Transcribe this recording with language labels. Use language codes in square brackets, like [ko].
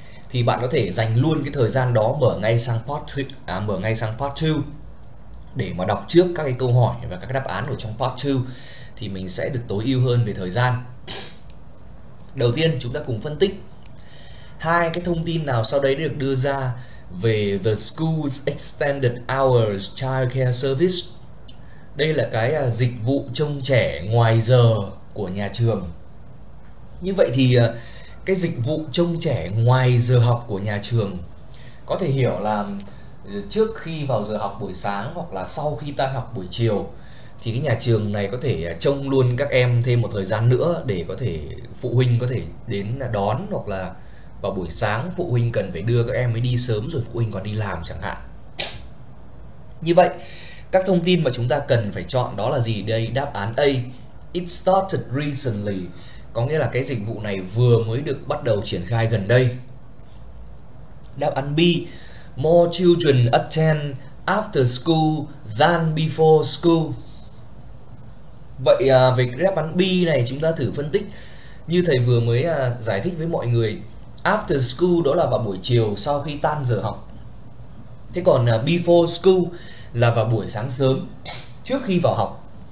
[vi] Thì bạn có thể dành luôn cái thời gian đó mở ngay sang part 2. Để mà đọc trước các cái câu hỏi và các đáp án ở trong part 2 thì mình sẽ được tối ưu hơn về thời gian. Đầu tiên chúng ta cùng phân tích hai cái thông tin nào sau đấy được đưa ra [en] về The School's Extended Hours Child Care Service. [vi] Đây là cái dịch vụ trông trẻ ngoài giờ của nhà trường. Như vậy thì cái dịch vụ trông trẻ ngoài giờ học của nhà trường có thể hiểu là trước khi vào giờ học buổi sáng hoặc là sau khi tan học buổi chiều thì cái nhà trường này có thể trông luôn các em thêm một thời gian nữa để có thể phụ huynh có thể đến đón, hoặc là vào buổi sáng phụ huynh cần phải đưa các em mới đi sớm rồi phụ huynh còn đi làm chẳng hạn. Như vậy các thông tin mà chúng ta cần phải chọn đó là gì đây? Đáp án A, [en] it started recently, [vi] có nghĩa là cái dịch vụ này vừa mới được bắt đầu triển khai gần đây. [en] Đáp án B, more children attend after school than before school. [vi] Vậy về đáp án B này chúng ta thử phân tích. Như thầy vừa mới giải thích với mọi người, after school đó là vào buổi chiều sau khi tan giờ học. Thế còn before school là vào buổi sáng sớm trước khi vào học.